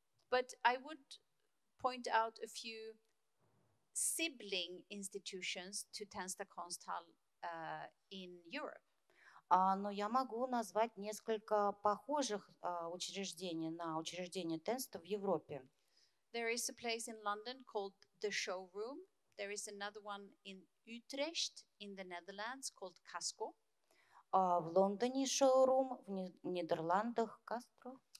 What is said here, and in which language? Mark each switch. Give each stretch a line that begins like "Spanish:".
English: But I would point out a few sibling institutions to Tensta Kunsthall in Europe.
Russian: Но я могу назвать несколько похожих учреждений на учреждения Tensta в Европе.
English: There is a place in London called The Showroom. There is another one in Utrecht in the Netherlands called Casco.
Russian: В Лондоне шоурум, в Нидерландах Castro.